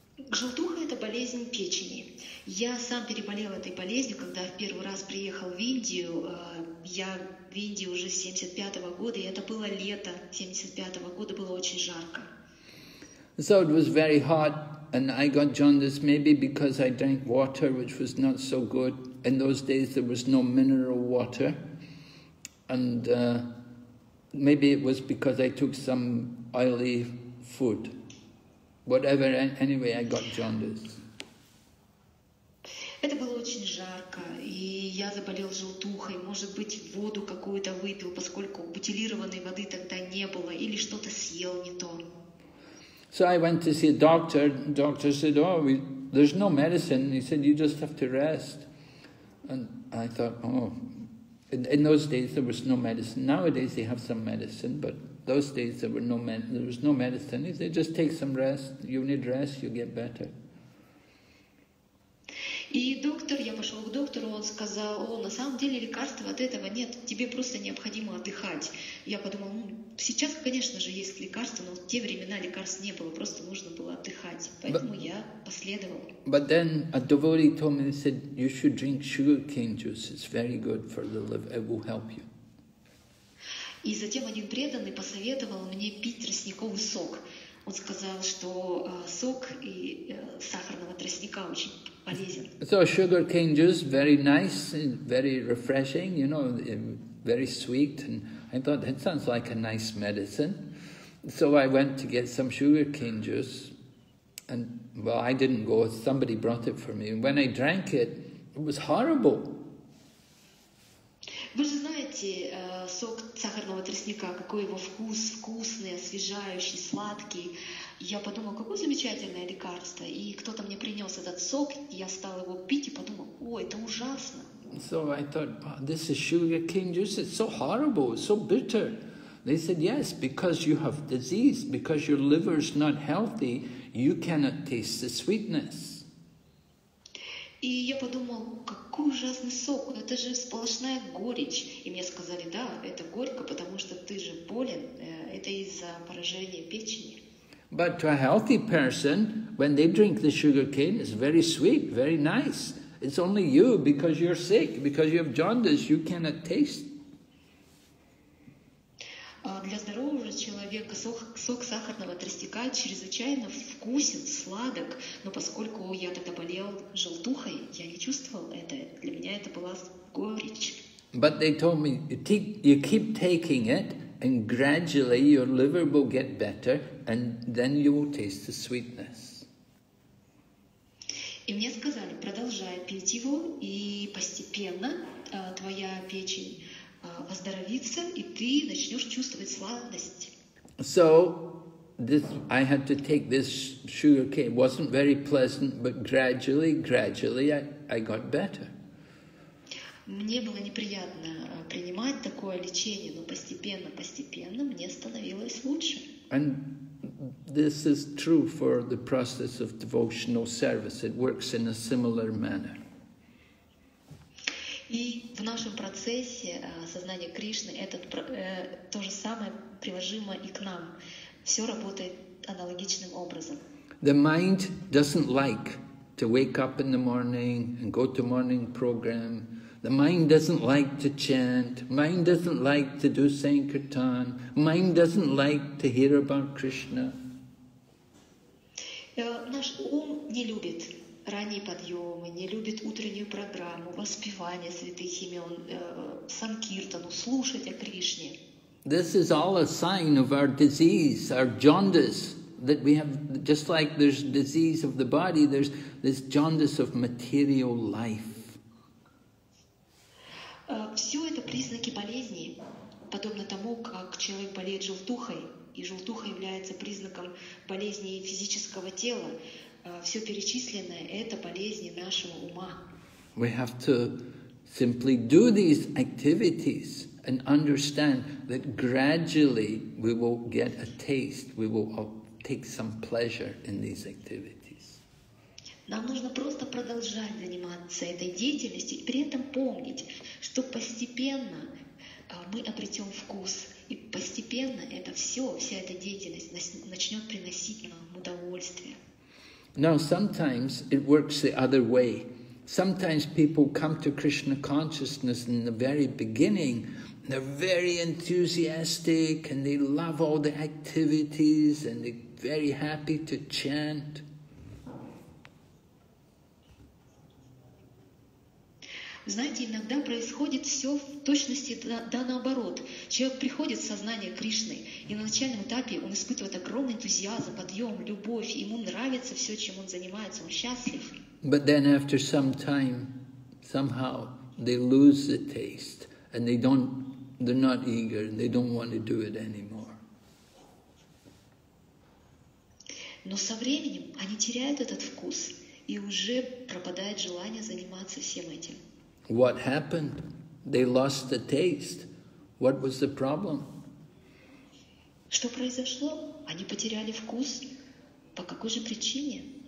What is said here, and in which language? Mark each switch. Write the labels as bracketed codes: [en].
[ru] Желтуха – это болезнь печени. Я сам переболел этой болезнью, когда в первый раз приехал в Индию. Я в Индии уже с 75-го года, и это было лето 75-го года, было очень жарко. [en] So it was very hot, and I got jaundice maybe because I drank water, which was not so good. In those days there was no mineral water. And maybe it was because I took some oily food. Whatever, anyway, I got jaundice. [ru] Это было очень жарко, и я заболел желтухой. Может быть, воду какую-то выпил, поскольку бутилированной воды тогда не было, или что-то съел не то. [en] So I went to see a doctor. Doctor said, "Oh, there's no medicine." He said, "You just have to rest." And I thought, "Oh." In those days, there was no medicine. Nowadays, they have some medicine, but. Those days there was no medicine. He said, just take some rest. You need rest, you get better. [ru] И доктор, я пошел к доктору, он сказал: о, на самом деле лекарства от этого нет, тебе просто необходимо отдыхать. Я подумала, ну, сейчас, конечно же, есть лекарства, но в те времена лекарств не было, просто нужно было отдыхать. Поэтому я последовала. [en] But then a devotee told me, they said, you should drink sugar cane juice, it's very good for the liver, it will help you. [ru] И затем один преданный посоветовал мне пить тростниковый сок. Он сказал, что сок и сахарного тростника очень полезен. [en] So sugar cane juice, very nice and very refreshing, you know, very sweet. And I thought, that sounds like a nice medicine. So I went to get some sugar cane juice. And, well, I didn't go, somebody brought it for me. And when I drank it, it was horrible. [ru] Вы же знаете, сок сахарного тростника, какой его вкус, вкусный, освежающий, сладкий. Я подумала, какое замечательное лекарство. И кто-то мне принес этот сок, я стала его пить и подумала, о, это ужасно. [en] So I thought, wow, this is sugar cane juice, it's so horrible, so bitter. They said, yes, because you have disease, because your liver is not healthy, you cannot taste the sweetness. [ru] И я подумал, какой ужасный сок, это же сплошная горечь. И мне сказали, да, это горько, потому что ты же болен, это из-за поражения печени. [en] But to a healthy person, when they drink the sugar cane, it's very sweet, very nice. It's only you, because you're sick, because you have jaundice, you cannot taste. [ru] Для здорового человека сок сахарного тростника чрезвычайно вкусен, сладок, но поскольку я тогда болел желтухой, я не чувствовал это. Для меня это была горечь. [en] But they told me, you keep taking it, and gradually your liver will get better, and then you will taste the sweetness. [ru] И мне сказали, продолжай пить его, и постепенно твоя печень оздоровится, и ты начнешь чувствовать сладость. [en] So, I had to take this sugar cane. It wasn't very pleasant, but gradually I got better. [ru] Мне было неприятно принимать такое лечение, но постепенно мне становилось лучше. [en] And this is true for the process of devotional service. It works in a similar manner. [ru] И в нашем процессе сознания Кришны этот то же самое приложимо и к нам. Все работает аналогичным образом. [en] The mind doesn't like to wake up in the morning and go to morning program. The mind doesn't like to chant. Mind doesn't like to do sankirtan. Mind doesn't like to hear about Krishna. [ru] Наш ум не любит ранние подъемы, не любит утреннюю программу, воспевание святых имен, санкиртану, слушать о Кришне. [en] This is all a sign of our disease, our jaundice, that we have, just like there's disease of the body, there's this jaundice of material life. [ru] Все это признаки болезни, подобно тому, как человек болеет желтухой, и желтуха является признаком болезни физического тела. Все перечисленное – это болезни нашего ума. [en] We have to simply do these activities and understand that gradually we will get a taste, we will take some pleasure in these activities. [ru] Нам нужно просто продолжать заниматься этой деятельностью и при этом помнить, что постепенно мы обретем вкус, и постепенно это все, вся эта деятельность начнет приносить нам удовольствие. [en] Now, sometimes it works the other way. Sometimes people come to Krishna consciousness in the very beginning. They're very enthusiastic and they love all the activities and they're very happy to chant. [ru] Знаете, иногда происходит все в точности да наоборот. Человек приходит в сознание Кришны, и на начальном этапе он испытывает огромный энтузиазм, подъем, любовь, ему нравится все, чем он занимается, он счастлив. [en] But then after some time, somehow they lose the taste, and they're not eager, and they don't want to do it anymore. [ru] Но со временем они теряют этот вкус, и уже пропадает желание заниматься всем этим. [en] What happened? They lost the taste. What was the problem? [ru] Что произошло? Они потеряли вкус. По какой же причине?